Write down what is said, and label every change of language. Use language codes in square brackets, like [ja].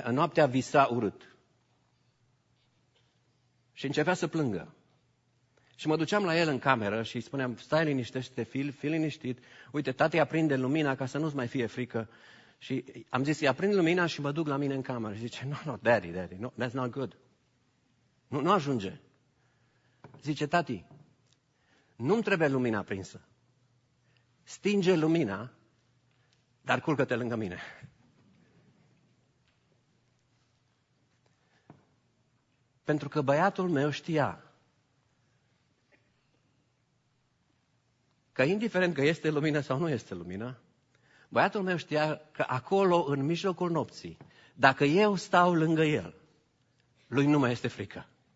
[ro] În noaptea visa urât și începea să plângă. Și mă duceam la el în cameră și îi spuneam, stai liniștește, fii liniștit, uite, tate aprinde lumina ca să nu-ți mai fie frică. Și am zis, îi aprind lumina și mă duc la mine în cameră. Și zice, [en] no, daddy, no, that's not good. [ro] Nu ajunge. Zice, tati, nu-mi trebuie lumina aprinsă. Stinge lumina, dar culcă-te lângă mine. Pentru că băiatul meu știa că indiferent că este lumină sau nu este lumină, băiatul meu știa că acolo, în mijlocul nopții, dacă eu stau lângă el, lui nu mai este frică.